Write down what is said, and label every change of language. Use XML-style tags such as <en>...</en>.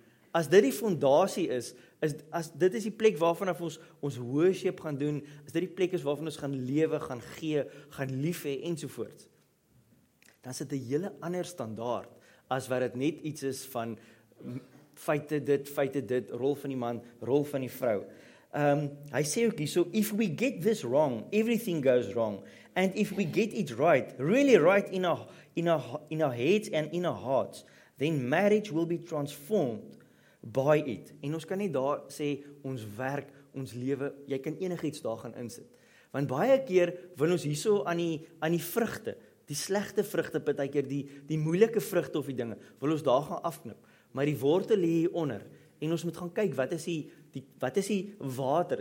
<af>As dit die fondasie is, as dit is die plek waarvan ons worship gaan doen, as dit die plek is waarvan ons gaan lewe, gaan gee, gaan lief hê ensovoorts, dan is dit 'n hele ander standaard as wat dit net iets is van feite dit, rol van die man, rol van die vrou. Hy sê ook hier,</af> <en>so if we get this wrong, everything goes wrong. And if we get it right, really right in our heads and in our hearts, then marriage will be transformed by it.</en> <af>En ons kan nie daar sê, ons werk, ons lewe, jy kan enig iets daar gaan insit. Want baie keer wil ons hierso aan die vrugte, die slegte vrugte, partykeer die moeilike vrugte of die dinge, wil ons daar gaan afknip. Maar die wortel lê hieronder. En ons moet gaan kyk, wat is die water?</af>